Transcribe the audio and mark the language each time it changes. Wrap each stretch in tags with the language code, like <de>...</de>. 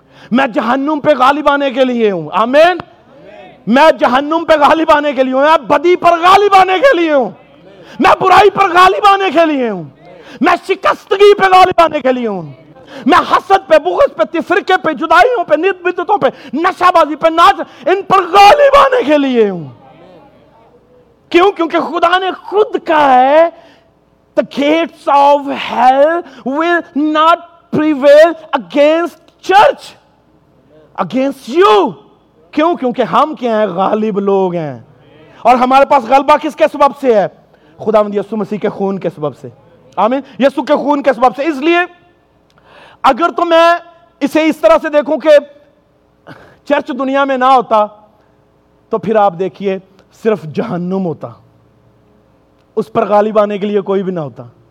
<ur>میں جہنم پہ غالب آنے کے لیے ہوں. آمین. میں جہنم پہ غالب آنے کے لیے ہوں, میں بدی پر غالب آنے کے لیے ہوں, میں برائی پر غالب آنے کے لیے ہوں, میں شکستگی پہ غالب آنے کے لیے ہوں, میں حسد پہ, بغض پہ, تفرقے پہ, جدائیوں پہ, نبتوں پہ, نشہ بازی پہ, ناچ, ان پر غالب آنے کے لیے ہوں. کیوں؟ کیونکہ خدا نے خود کہا ہے</ur> <en>the gates of hell will not prevail against church, against you.</en> <ur>کیوں؟ کیونکہ ہم کیا ہیں؟ غالب لوگ ہیں. اور ہمارے پاس غلبہ کس کے سبب سے ہے؟ خداوند یسوع مسیح کے خون کے سبب سے. آمین. یسوع کے خون کے سبب سے. اس لیے اگر تو میں اسے اس طرح سے دیکھوں کہ چرچ دنیا میں نہ ہوتا تو پھر آپ دیکھیے صرف جہنم ہوتا, اس پر غالب آنے کے لیے کوئی بھی نہ ہوتا.</ur>